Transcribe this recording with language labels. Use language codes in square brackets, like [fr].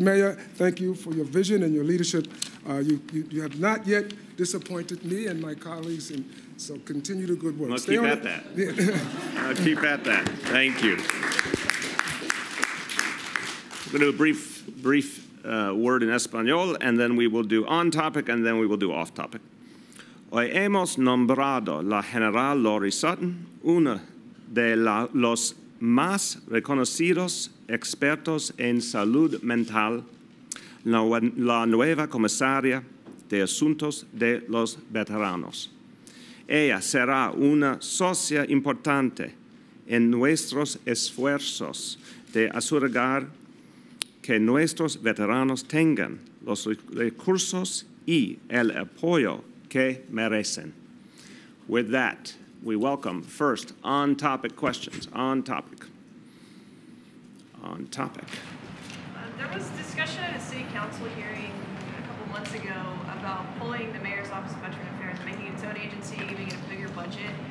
[en] Mayor, thank you for your vision and your leadership. You have not yet disappointed me and my colleagues, and so continue the good work. I'll keep at that. Thank you. I'm going to do a brief word in Espanol, and then we will do on topic, and then we will do off topic. [es] Hoy hemos nombrado la General Loree Sutton, una de los más reconocidos expertos en salud mental, la nueva comisaria de asuntos de los veteranos. Ella será una socia importante en nuestros esfuerzos de asegurar que nuestros veteranos tengan los recursos y el apoyo que merecen. [en] With that, we welcome first on-topic questions. On topic. There was discussion at a city council hearing a couple months ago about pulling the Mayor's Office of Veteran Affairs and making it its own agency, giving it a bigger budget.